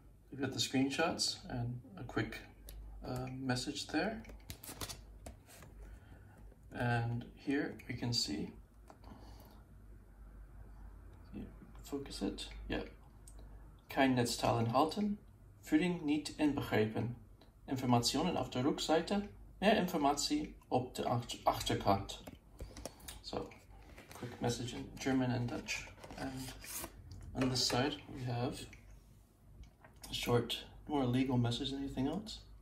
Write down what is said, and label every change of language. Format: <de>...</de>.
<en>You've got the screenshots and a quick message there. And here we can see, focus it, yeah.</en> <de>Kein Netzteil enthalten, Füllung nicht inbegriffen, Informationen auf der Rückseite, mehr Informationen auf der Achterkant.</de> <en>So, quick message in German and Dutch. And on this side we have a short, more legal message than anything else.</en>